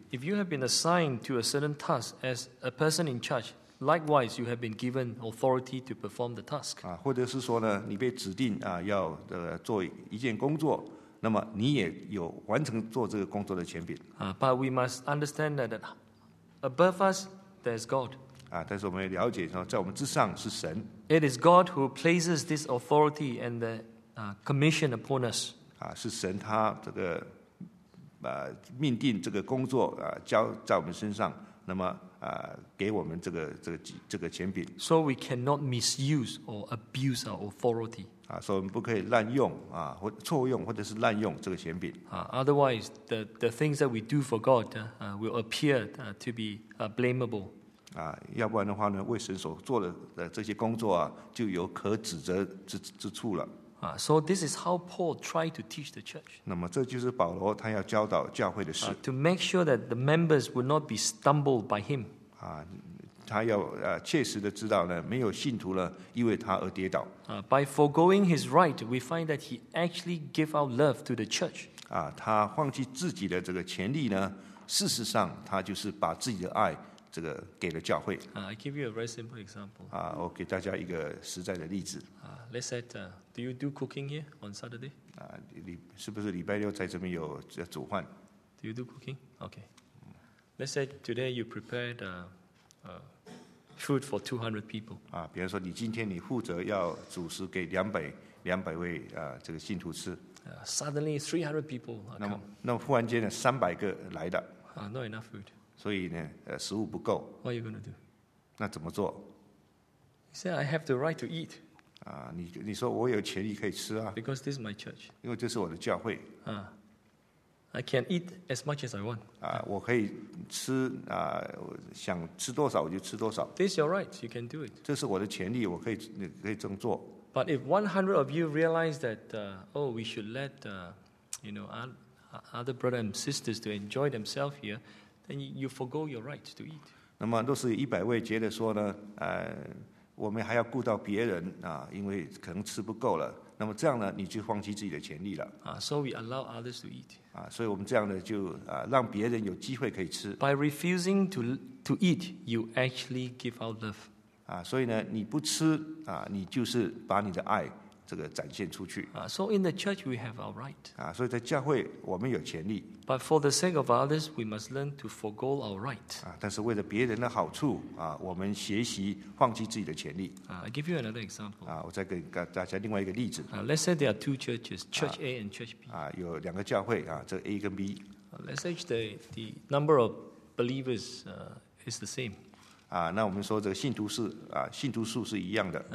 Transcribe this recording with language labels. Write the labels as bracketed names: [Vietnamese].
[English] If you have been assigned to a certain task as a person in charge, likewise you have been given authority to perform the task. [Chinese] 或者是说呢，你被指定要做一件工作，那么你也有完成做这个工作的权柄。 [English] But we must understand that above us there is God. [Chinese] 但是我们也了解说，在我们之上是神。 [English] It is God who places this authority and the commission upon us. [Chinese] 是神他这个命定这个工作交在我们身上，那么给我们这个权柄。 [English] So we cannot misuse or abuse our authority. [Chinese] 啊，所以我们不可以滥用啊，或错用或者是滥用这个权柄。 [English] Otherwise, the things that we do for God will appear to be blamable. [Chinese] 啊，要不然的话呢，为神所做的这些工作啊，就有可指责之处了。 [English] So this is how Paul tried to teach the church. [Chinese] 那么这就是保罗他要教导教会的事。 [English] To make sure that the members would not be stumbled by him. [Chinese] 他要切实的知道呢，没有信徒呢因为他而跌倒。 [English] By foregoing his right, we find that he actually gave out love to the church. [Chinese] 他放弃自己的这个权利呢，事实上他就是把自己的爱这个给了教会。 [English] I give you a very simple example. [Chinese] 我给大家一个实在的例子。 [English] Let's say do you do cooking here on Saturday? [Chinese] 是不是礼拜六在这边有煮饭？ [English] Do you do cooking? Okay. Let's say today you prepared food for 200 people. [Chinese] 比方说你今天你负责要煮食给两百位这个信徒吃。 [English] Suddenly 300 people come. [Chinese] 那忽然间呢，300个来的。 [English] Not enough food. [Chinese] 所以呢，食物不够。 [English] What are you going to do? [Chinese] 那怎么做？ [English] You say I have the right to eat. [Chinese] 你说我有权利可以吃啊。 [English] Because this is my church. [Chinese] 因为这是我的教会。 [English] I can eat as much as I want. [Chinese] 我可以吃想吃多少我就吃多少。 [English] This is your right. You can do it. [Chinese] 这是我的权利，我可以这么做。 [English] But if 100 of you realize that, we should let, other brothers and sisters to enjoy themselves here, then you forego your right to eat. [Chinese] 那么，若是100位觉得说呢，我们还要顾到别人因为可能吃不够了，那么这样呢，你就放弃自己的权利了。 [English] So we allow others to eat. [Chinese] 所以我们这样呢，就让别人有机会可以吃。 [English] By refusing to eat, you actually give out love. [Chinese] 所以呢，你不吃你就是把你的爱这个展现出去。 [English] So in the church we have our right. [Chinese] 所以在教会我们有权利。 [English] But for the sake of others, we must learn to forego our right. [Chinese] 但是为了别人的好处我们学习放弃自己的权利。 [English] I give you another example. [Chinese] 我再给大家另外一个例子。 [English] Let's say there are two churches, Church A and Church B. [Chinese] 有两个教会这 A 跟 B. [English] Let's say the number of believers is the same. [Chinese] 那我们说这个信徒数是一样的。